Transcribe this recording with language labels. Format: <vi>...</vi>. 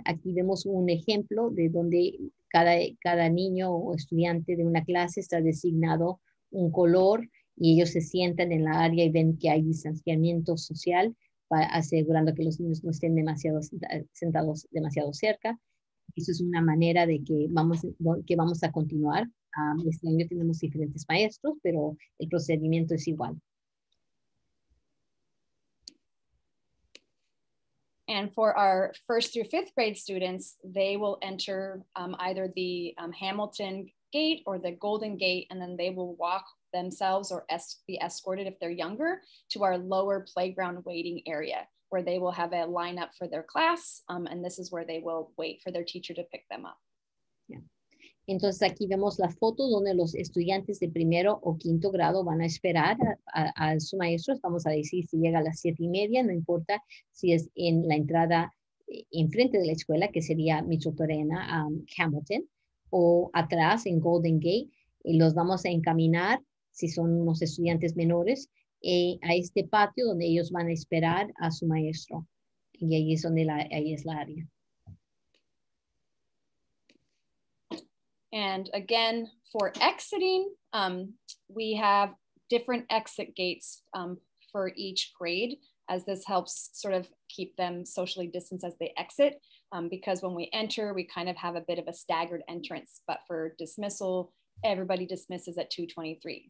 <es>Aquí vemos un ejemplo de donde cada niño o estudiante de una clase está designado un color y ellos se sientan en la área y ven que hay distanciamiento social para, asegurando que los niños no estén demasiado sentados demasiado cerca. Eso es una manera de que vamos a continuar. Este año tenemos diferentes maestros, pero el procedimiento es igual.</es> <en>And for our first through fifth grade students, they will enter either the Hamilton Gate or the Golden Gate, and then they will walk themselves or be escorted if they're younger to our lower playground waiting area, where they will have a lineup for their class, and this is where they will wait for their teacher to pick them up. Yeah.</en> <es>Entonces aquí vemos las fotos donde los estudiantes de primero o quinto grado van a esperar a su maestro. Vamos a decir si llega a las 7:30, no importa si es en la entrada enfrente de la escuela, que sería Micheltorena, Hamilton, o atrás en Golden Gate, y los vamos a encaminar, si son unos estudiantes menores, a este patio donde ellos van a esperar a su maestro. Y ahí es donde ahí es la área.</es> <en>And again, for exiting, we have different exit gates for each grade, as this helps sort of keep them socially distanced as they exit. Because when we enter, we kind of have a bit of a staggered entrance, but for dismissal, everybody dismisses at 2:23.</en>